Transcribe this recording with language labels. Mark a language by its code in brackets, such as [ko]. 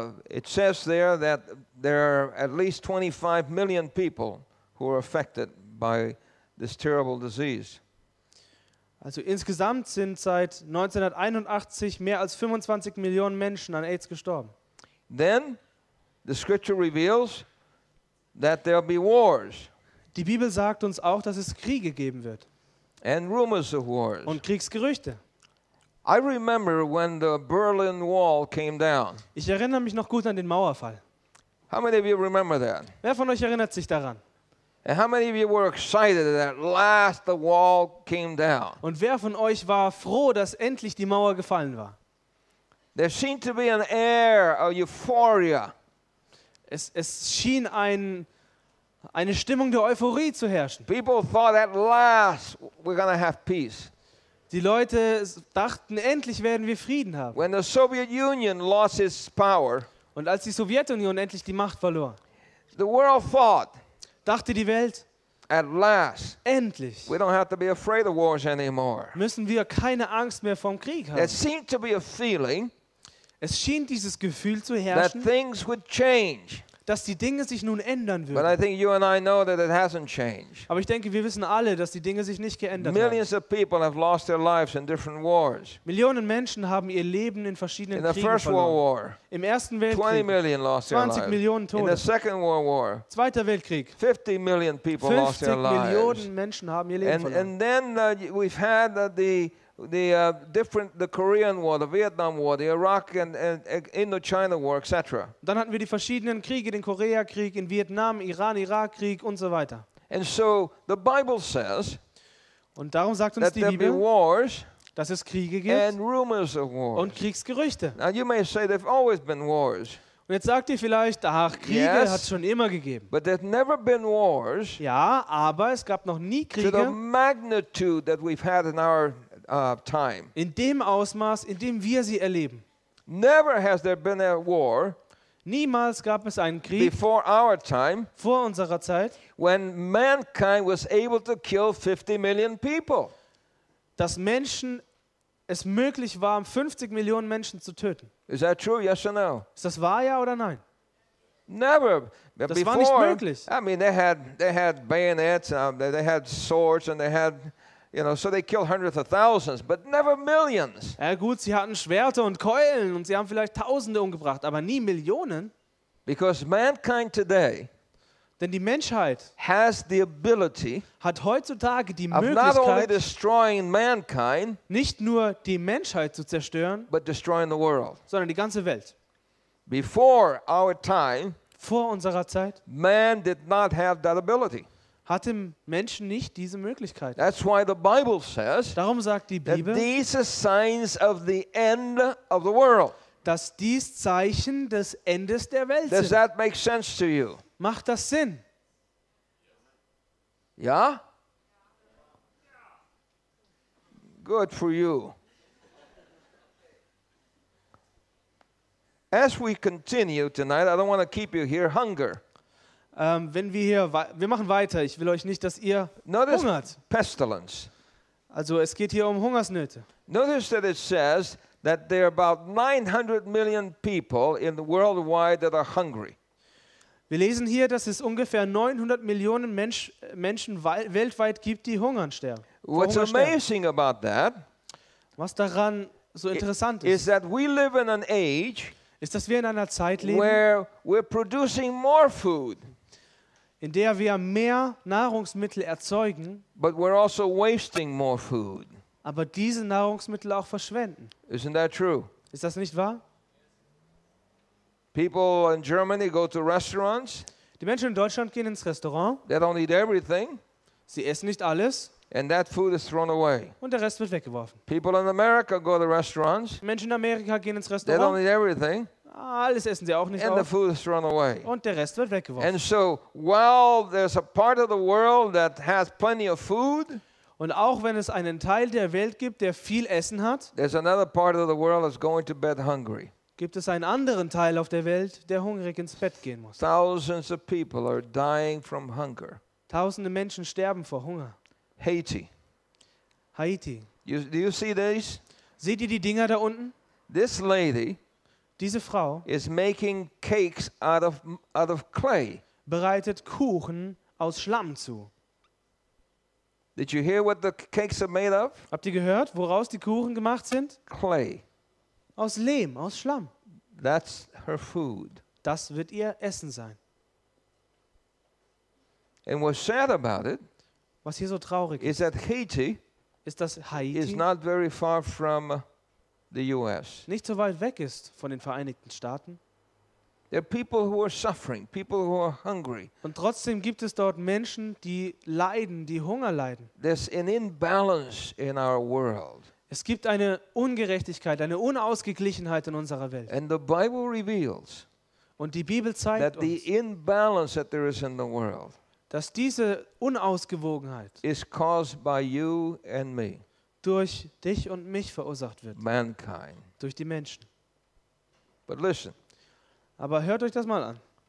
[en] It says there that there are at least 25 million people who are affected by this terrible disease. [de] Also insgesamt sind seit 1981 mehr als 25 Millionen Menschen an AIDS gestorben. [en] Then the scripture reveals that there'll be wars. [de] Die Bibel sagt uns auch, dass es Kriege geben wird. [en] And rumors of wars. [de] Und Kriegsgerüchte. [en] I remember when the Berlin Wall came down. [de] Ich erinnere mich noch gut an den Mauerfall. [en] How many of you remember that? [de] Wer von euch erinnert sich daran? [en] And how many of you were excited that at last the wall came down? [de] Und wer von euch war froh, dass endlich die Mauer gefallen war? [en] There seemed to be an air of euphoria. [de] Es schien eine Stimmung der Euphorie zu herrschen. [en] People thought at last we're gonna have peace. [de] Die Leute dachten, endlich werden wir Frieden haben. [en] When the Soviet Union lost its power. [de] Und als die Sowjetunion endlich die Macht verlor. [en] The world thought. [de] Dachte die Welt, [en] at last, [de] endlich, [en] we don't have to be afraid of wars anymore. [de] Müssen wir keine Angst mehr vom Krieg haben. [en] There seemed to be a feeling, [de] es schien dieses Gefühl zu herrschen, [en] that things would change. [de] Dass die Dinge sich nun ändern würden. [en] But I think you and I know that it hasn't changed. [de] Aber ich denke, wir wissen alle, dass die Dinge sich nicht geändert [en] Millions [de] haben. [en] Of people have lost their lives in different wars. [de] Millionen Menschen haben ihr Leben in verschiedenen [en] in [de] Kriegen [en] the first [de] verloren. [en] World war, [de] im Ersten Weltkrieg [en] 20, million lost [de] 20 [en] their lives. [de] Millionen Tote. [en] In the second world war, [de] Zweiter Weltkrieg [en] 50, million people [de] 50 [en] lost their lives. [de] Millionen Menschen haben ihr Leben verloren. [en] And then we've had the Korean War, the Vietnam War, the Iraq and Indochina War, etc. [de] Dann hatten wir die verschiedenen Kriege, den Koreakrieg, in Vietnam, Iran, Irakkrieg und so weiter. [en] And so the Bible says, [de] und darum sagt uns [en] that [de] die Bibel, [en] wars, [de] dass es Kriege gibt [en] and rumors of wars. [de] Und Kriegsgerüchte. [en] Now you may say there've always been wars. [de] Und jetzt sagt ihr vielleicht, ach, Kriege [en] yes, [de] hat es schon immer gegeben. [en] But there've never been wars, [de] ja, aber es gab noch nie Kriege [en] to the magnitude that we've had in our time. [de] In dem Ausmaß, in dem wir sie erleben. [en] Never has there been a war. [de] Niemals gab es einen Krieg [en] before our time, [de] vor unserer Zeit, [en] when mankind was able to kill 50 million people. [de] Dass Menschen es möglich war, 50 Millionen Menschen zu töten. [en] Is that true? Yes or no? [de] Ist das wahr, ja oder nein? [en] Never. [de] Das [en] before, [de] war nicht möglich. [en] I mean, they had bayonets, they had swords, and they had, you know, so they killed hundreds of thousands, but never millions. [de] Ja gut, sie hatten Schwerter und Keulen und sie haben vielleicht Tausende umgebracht, aber nie Millionen. [en] Because mankind today, [de] denn die Menschheit [en] has the ability, [de] hat heutzutage die [en] of [de] Möglichkeit, [en] not only destroying mankind, [de] nicht nur die Menschheit zu zerstören, [en] but destroying the world. [de] Sondern die ganze Welt. [en] Before our time, [de] vor unserer Zeit, [en] man did not have that ability. [de] Hatte Menschen nicht diese Möglichkeit. [en] That's why the Bible says, [de] darum sagt die Bibel, [en] these are signs of the end of the world. [de] Dass dies Zeichen des Endes der Welt [en] does [de] sind. [en] That make sense to you? [de] Macht das Sinn? Ja? [en] Good for you. As we continue tonight, I don't want to keep you here, hunger. [de] Wenn wir hier, wir machen weiter, ich will euch nicht, dass ihr [en] notice [de] hungert. [en] Pestilence. [de] Also es geht hier um Hungersnöte. [en] Notice that it says that there are about 900 million people in the worldwide that are hungry. [de] Wir lesen hier, dass es ungefähr 900 Millionen Menschen weltweit gibt, die hungern sterben. [en] What's amazing about that, [de] was daran so interessant ist, [en] that we live in an age, [de] ist, dass wir in einer Zeit leben, [en] where we're producing more food, [de] in der wir mehr Nahrungsmittel erzeugen, [en] but we're also wasting more food. [de] Aber diese Nahrungsmittel auch verschwenden. [en] Isn't that true? [de] Ist das nicht wahr? [en] People in Germany go to restaurants. [de] Die Menschen in Deutschland gehen ins Restaurant. [en] They don't eat everything. [de] Sie essen nicht alles. [en] And that food is thrown away. [de] Und der Rest wird weggeworfen. [en] People in America go to restaurants. [de] Menschen in Amerika gehen ins Restaurant. [en] They don't eat everything. [de] Alles essen sie auch nicht [en] and [de] auf. [en] And the food is thrown away. [de] Und der Rest wird weggeworfen. [en] And so, while there's a part of the world that has plenty of food, [de] und auch wenn es einen Teil der Welt gibt, der viel Essen hat, [en] there's another part of the world that's going to bed hungry. [de] Gibt es einen anderen Teil auf der Welt, der hungrig ins Bett gehen muss. [en] Thousands of people are dying from hunger. [de] Tausende Menschen sterben vor Hunger. [en] Haiti. [de] Haiti. [en] Do you see these? [de] Seht ihr die Dinger da unten? [en] This lady, [de] diese Frau, [en] is making cakes out of clay. [de] Bereitet Kuchen aus Schlamm zu. [en] Did you hear what the cakes are made of? [de] Habt ihr gehört, woraus die Kuchen gemacht sind? [en] Clay. [de] Aus Lehm, aus Schlamm. [en] That's her food. [de] Das wird ihr Essen sein. [en] And what's sad about it, [de] was hier so traurig ist, [en] that Haiti [de] ist, dass Haiti [en] is not very far from the US. [de] Nicht so weit weg ist von den Vereinigten Staaten. [en] There are people who are suffering, people who are hungry. [de] Und trotzdem gibt es dort Menschen, die leiden, die Hunger leiden. [en] There's an imbalance in our world. [de] Es gibt eine Ungerechtigkeit, eine Unausgeglichenheit in unserer Welt. [en] And the Bible reveals, [de] und die Bibel zeigt [en] that the imbalance that there is in the world, [de] dass diese Unausgewogenheit [en] is caused by you and me, [de] durch dich und mich verursacht wird. [en] Mankind. [de] Durch die Menschen. [en] But listen, [de] aber hört euch das mal an.